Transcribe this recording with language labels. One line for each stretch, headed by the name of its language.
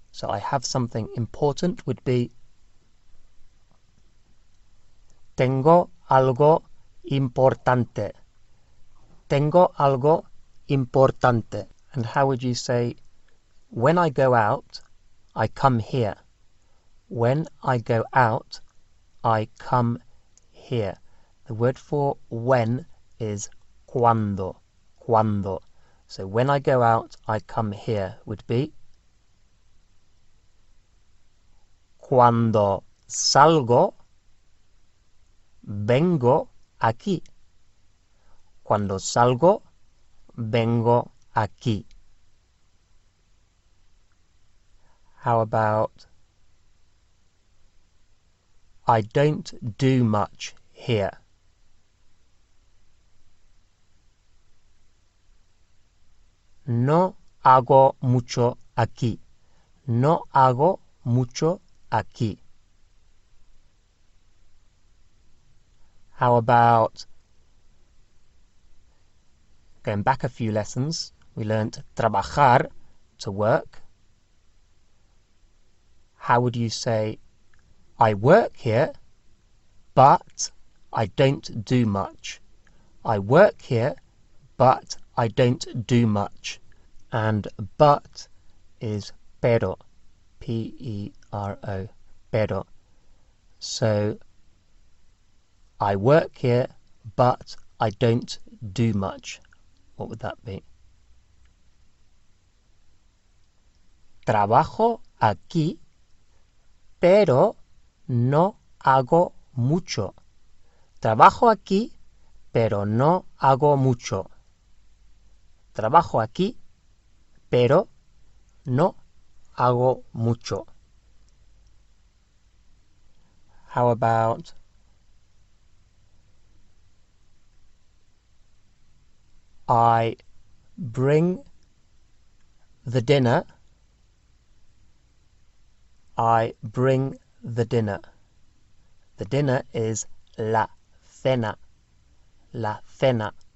English: So I have something important would be
Spanish: tengo algo importante. Tengo algo importante.
English: And how would you say, when I go out, I come here? When I go out, I come here. The word for when is
Spanish: cuando, cuando.
English: So when I go out, I come here would be
Spanish: cuando salgo, vengo aquí. Cuando salgo, vengo aquí.
English: How about I don't do much here?
Spanish: No hago mucho aquí. No hago mucho aquí.
English: How about going back a few lessons, we learned
Spanish: trabajar,
English: to work. How would you say, I work here, but I don't do much? I work here, but I don't do much. And but is pero, P-E-R-O, pero. So I work here, but I don't do much. What would that be?
Spanish: Trabajo aquí, pero no hago mucho. Trabajo aquí, pero no hago mucho. Trabajo aquí, pero no hago mucho.
English: How about I bring the dinner? I bring the dinner. The dinner is la cena. La cena.